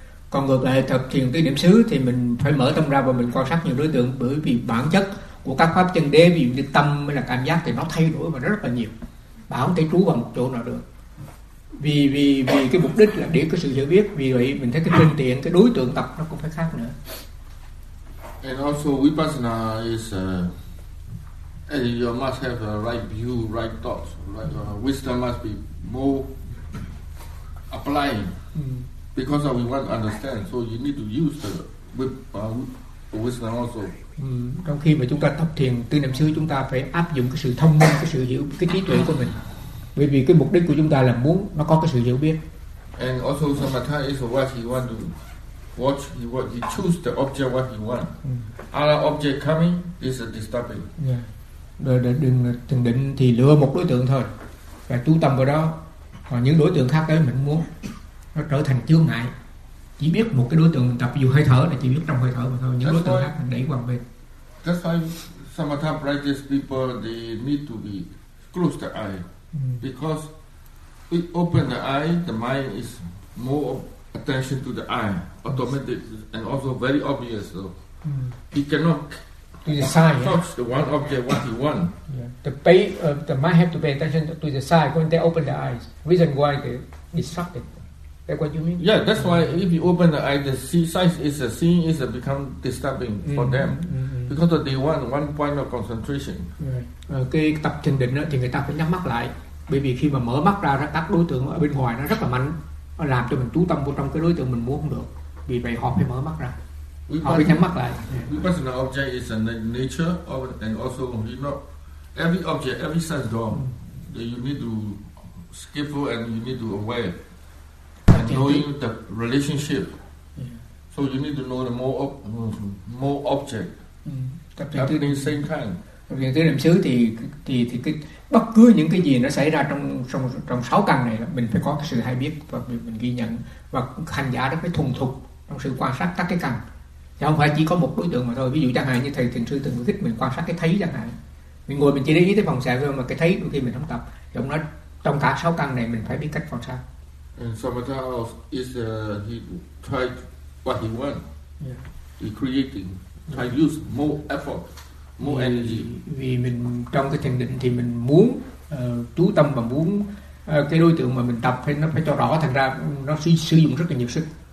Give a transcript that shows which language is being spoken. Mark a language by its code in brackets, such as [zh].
[vi] Còn ngược lại tập thiền tư niệm xứ thì mình phải mở tâm ra và mình quan sát nhiều đối tượng bởi vì bản chất của các pháp chân đế, ví dụ như tâm hay là cảm giác thì nó thay đổi và rất là nhiều, bảo không thể trú vào một chỗ nào được. Vì cái mục đích là để có sự hiểu biết, vì vậy mình thấy cái phương tiện, cái đối tượng tập nó cũng phải khác nữa. [en] And also vipassana is and you must have a right view, right thoughts, right wisdom must be more applying because we want to understand, so you need to use the wisdom also. [vi] Trong khi mà chúng ta tập thiền tư niệm xứ, chúng ta phải áp dụng cái sự thông minh, cái sự hiểu, cái trí tuệ của mình. Bởi vì cái mục đích của chúng ta là muốn nó có cái sự hiểu biết. [en] And also samatha is what he want to watch, he choose the object what he want. Other object coming is a disturbing. [vi] Đừng thiền định thì lựa một đối tượng thôi và chú tâm vào đó. Còn những đối tượng khác đấy mình muốn nó trở thành chướng ngại. Chỉ biết một cái đối tượng tập dù hơi thở là chỉ biết trong hơi thở mà thôi, những [en] that's [vi] đối tượng khác đẩy qua bên. [en] That's why samatha practice people they need to be close the eye because we open the eye, the mind is more attention to the eye, automatic and also very obvious. So he cannot to the side. Touch the one object what he want. The mind have to pay attention to the side when they open the eyes. Reason why they distracted. That's what you mean? Yeah, that's why if you open the eye, the see size is a seeing is a become disturbing for them because of the one point of concentration. Right. [vi] Cái tập thiền định đó, thì người ta phải nhắm mắt lại, bởi vì khi mà mở mắt ra các đối tượng ở bên ngoài nó rất là mạnh, nó làm cho mình chú tâm vào trong cái đối tượng mình muốn không được. Vì vậy họ phải mở mắt ra, họ phải nhắm mắt lại. [en] Vipassana object is a nature of, and also you know every object, every sense door, that you need to skillful and you need to aware. Knowing the relationship, so you need to know the more object. Happening same time. [vi] Tập thiền tư niệm xứ thì cái bất cứ những cái gì nó xảy ra trong sáu căn này là mình phải có cái sự hay biết và mình ghi nhận, và hành giả nó phải thuần thục trong sự quan sát các cái căn. chứ không phải chỉ có một đối tượng mà thôi. Ví dụ chẳng hạn như thầy thiền sư từng thích mình quan sát cái thấy chẳng hạn, mình ngồi mình chỉ để ý tới phòng xẹo thôi, mà cái thấy đôi khi mình không tập, trong đó trong cả sáu căn này mình phải biết cách quan sát. [en] And samatha is he tried what he want, yeah. He creating, try yeah. Use more effort, more energy. [vi] Vì mình trong cái thiền định thì mình muốn chú tâm và muốn cái đối tượng mà mình tập thì nó phải cho rõ, thành ra nó sử dụng rất là nhiều sức.